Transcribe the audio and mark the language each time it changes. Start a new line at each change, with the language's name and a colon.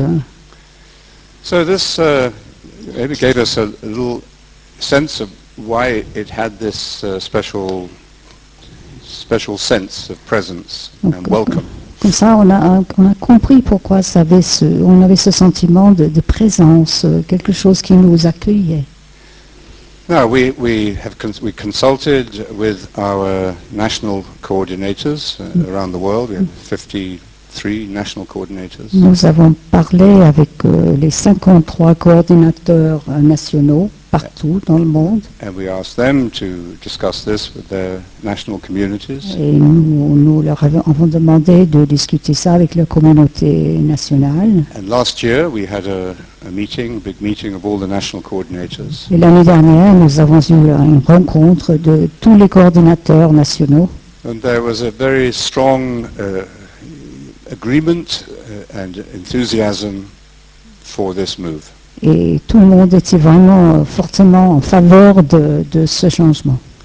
English: Yeah. So this gave us a little sense of why it had this special sense of presence and welcome.
French: Comme ça, on a compris pourquoi ça avait on avait ce sentiment de présence, quelque chose qui nous accueillait.
English: Now we consulted with our national coordinators around the world. We have 53 national coordinators.
French: Nous avons parlé avec les 53 coordinateurs nationaux partout dans le monde.
English: And we asked them to discuss this with their national communities.
French: Et nous leur avons demandé de discuter ça avec leur communauté nationale.
English: And last year we had a meeting, a big meeting of all the national coordinators.
French: Et l'année dernière, nous avons eu une rencontre de tous les coordinateurs nationaux.
English: And there was a very strong agreement and enthusiasm for this move.
French: Et tout le monde était vraiment fortement en faveur de ce changement.